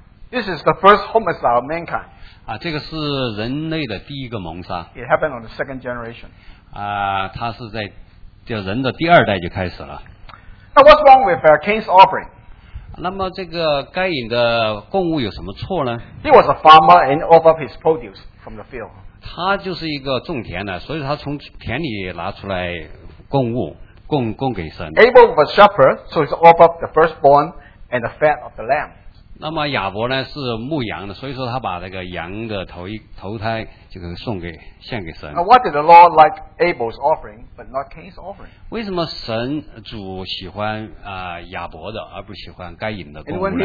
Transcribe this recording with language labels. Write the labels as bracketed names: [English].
[English] This is the first homicide of mankind. [Chinese] 这个是人类的第一个谋杀。 [English] It happened on the second generation. [Chinese] 他是在就人的第二代就开始了。 [English] Now what's wrong with Cain's offering? [Chinese] 那么这个该隐的供物有什么错呢？ [English] He was a farmer and offered his produce from the field. [Chinese] 他就是一个种田的，所以他从田里拿出来供物，供给神。 [English] Abel was a shepherd, so he offered the firstborn and the fat of the lamb. [Chinese] 那么亚伯呢是牧羊的，所以说他把这个羊的头胎这个献给神。 [English] Now what did the law like Abel's offering but not Cain's offering? [Chinese] 为什么神主喜欢亚伯的而不喜欢该隐的供物呢？